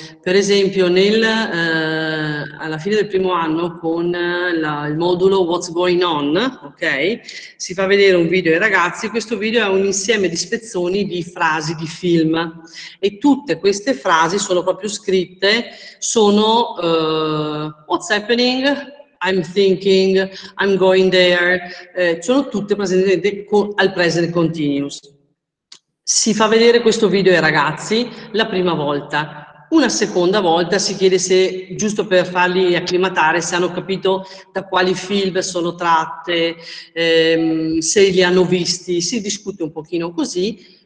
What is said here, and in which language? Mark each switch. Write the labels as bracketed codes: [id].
[it] Per esempio, alla fine del primo anno, con il modulo What's Going On, ok? Si fa vedere un video ai ragazzi. Questo video è un insieme di spezzoni di frasi di film, e tutte queste frasi sono proprio scritte: sono [en] What's happening? I'm thinking, I'm going there, [it] sono tutte presenti al [en] present continuous. [it] Si fa vedere questo video ai ragazzi la prima volta. Una seconda volta si chiede se, giusto per farli acclimatare, se hanno capito da quali film sono tratte, se li hanno visti, si discute un pochino così.